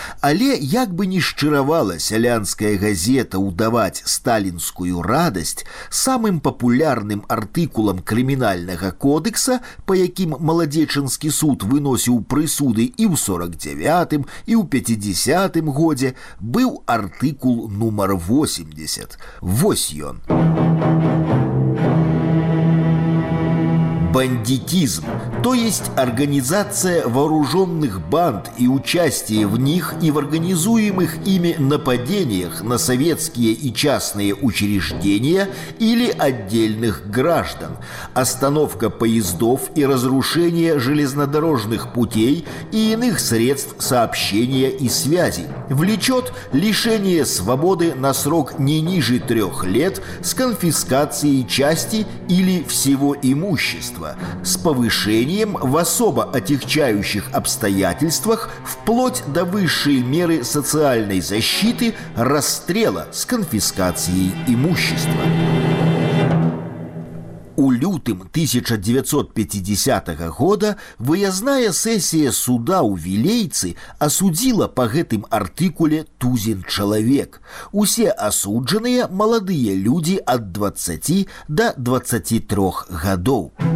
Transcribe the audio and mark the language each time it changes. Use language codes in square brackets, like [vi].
[be] Але як бы ні шчыравала сялянская газета ўдаваць сталінскую радасць, самым папулярным артыкулам крымінальнага кодэкса, па якім маладзечанскі суд выносіў прысуды і ў 49-м, і ў 50-м годзе быў артыкул нумар 80. Вось ён. [ru] Бандитизм, то есть организация вооруженных банд и участие в них и в организуемых ими нападениях на советские и частные учреждения или отдельных граждан, остановка поездов и разрушение железнодорожных путей и иных средств сообщения и связи, влечет лишение свободы на срок не ниже 3 лет с конфискацией части или всего имущества, с повышением в особо отягчающих обстоятельствах вплоть до высшей меры социальной защиты расстрела с конфискацией имущества. [be] У лютым 1950 года выязная сесія суда ў Вілейцы асудзіла па гэтым артыкуле тузін чалавек. Усе асуджаныя маладыя людзі ад 20 да 23 гадоў.